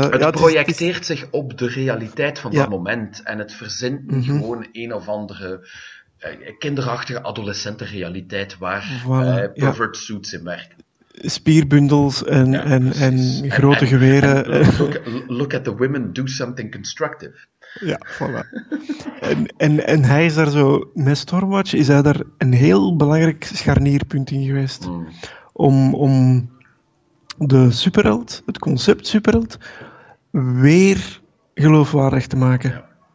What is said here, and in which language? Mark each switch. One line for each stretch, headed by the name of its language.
Dutch: Projecteert zich op de realiteit van dat moment. En het verzint niet mm-hmm. gewoon een of andere kinderachtige adolescentenrealiteit waar pervert suits in werken. spierbundels en, ja, en grote
English: and,
Dutch: geweren.
English: And look at the women, do something constructive.
Dutch: Ja, voilà. En hij is daar zo, met Stormwatch is hij daar een heel belangrijk scharnierpunt in geweest. Mm. Om de superheld, het concept superheld, weer geloofwaardig te maken. Ja.